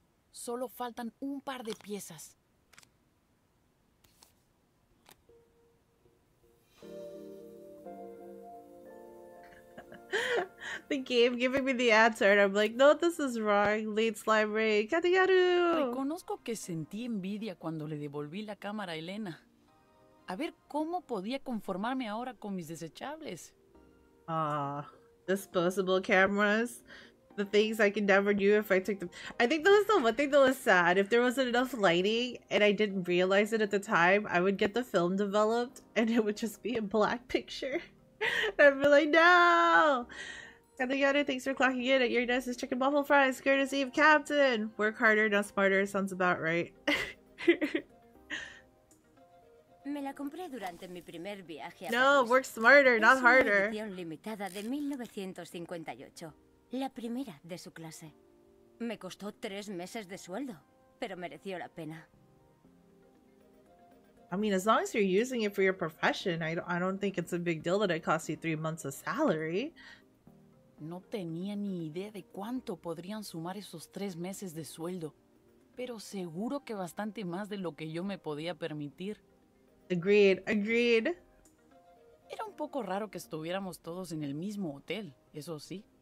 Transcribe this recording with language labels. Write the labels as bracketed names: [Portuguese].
[Spanish] Solo faltan un par de piezas. [English] The game giving me the answer and I'm like, no, this is wrong. Leeds Library. Katigaru! [Spanish] Reconozco que sentí envidia cuando le devolví la cámara a Elena. A ver cómo podía conformarme ahora con mis desechables. [English] Disposable cameras. The things I can never do if I took them. I think that was the one thing that was sad. If there wasn't enough lighting and I didn't realize it at the time, I would get the film developed and it would just be a black picture. I'd be like, no! And the other, thanks for clocking in at your nice chicken waffle fries. Courtesy of Captain. Work harder, not smarter. Sounds about right. [Spanish] Me la compré durante mi primer viaje. [English] No, work smarter, [Spanish] es [English] not harder. [Spanish] Una edición limitada de 1958. La primera de su clase. Me costó 3 meses de sueldo, pero mereció la pena. [English] I mean, as long as you're using it for your profession, I don't think it's a big deal that it costs you 3 months of salary. [Spanish] No tenía ni idea de cuánto podrían sumar esos 3 meses de sueldo, pero seguro que bastante más de lo que yo me podía permitir. [English] Agreed. [Spanish] Era un poco raro que estuviéramos todos en el mismo hotel, eso sí.